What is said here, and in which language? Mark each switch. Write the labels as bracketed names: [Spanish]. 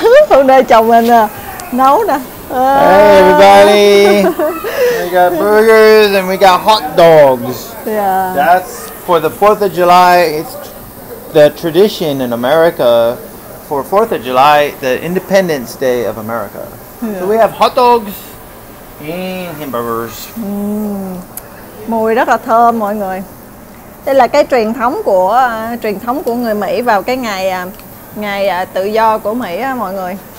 [Vietnamese] Hôm nay chồng mình nấu nè. [English] Hey everybody, we got burgers and we got hot dogs. Yeah. That's for the 4th of July. It's the tradition in America for 4th of July, the Independence Day of America. Yeah. So we have hot dogs and hamburgers. [Vietnamese] Mùi rất là thơm mọi người. Đây là cái truyền thống của người Mỹ vào cái ngày tự do của Mỹ á mọi người.